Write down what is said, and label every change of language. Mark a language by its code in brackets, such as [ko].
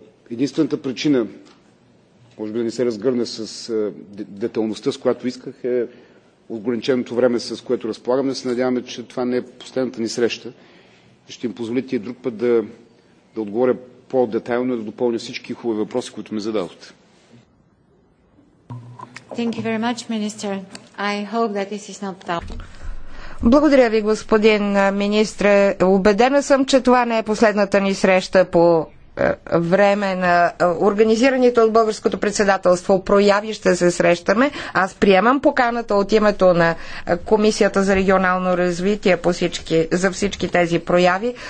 [bg] Единствената причина, може би да не се разгърне с детайлността, с която исках, е ограниченото време, с което разполагаме. Се надяваме, че това не е последната ни среща. Ще им позволите и друг път да отговоря по-детайлно и да допълня всички хубави въпроси, които ми зададохте. [en] Thank you very much, Minister. I hope that this is not done. [bg] Благодаря ви, господин министре. Убедена съм, че това не е последната ни среща по време на организираните от българското председателство прояви, ще се срещаме. Аз приемам поканата от името на Комисията за регионално развитие за всички тези прояви.